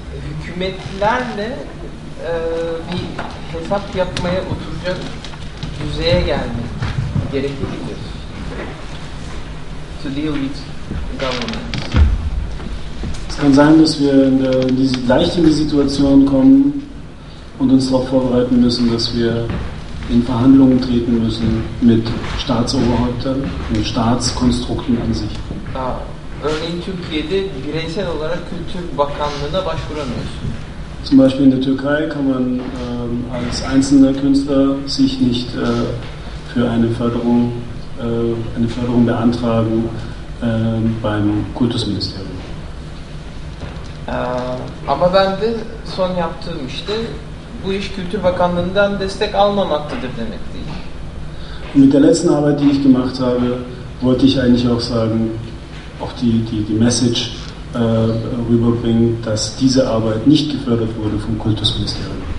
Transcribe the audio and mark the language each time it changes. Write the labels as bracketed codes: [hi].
[tr] Hükümetlerle bir hesap yapmaya oturacak düzeye gelmek gerekebilir. [en] To deal with governments. [de] Es kann sein, dass wir leicht in die Situation kommen und uns darauf vorbereiten müssen, dass wir in Verhandlungen treten müssen mit Staatsoberhäuptern und Staatskonstrukten an sich. [tr] Örneğin Türkiye'de bireysel olarak Kültür Bakanlığı'na başvuramıyoruz. [de] Zum Beispiel in der Türkei kann man als einzelner Künstler sich nicht für eine Förderung beantragen beim Kultusministerium. [tr] Aber ben de son yaptığım işte bu iş Kültür Bakanlığı'ndan destek almamaktadır demek değil. [de] Und mit der letzten Arbeit, die ich gemacht habe, wollte ich eigentlich auch sagen, auch die Message rüberbringen, dass diese Arbeit nicht gefördert wurde vom Kultusministerium.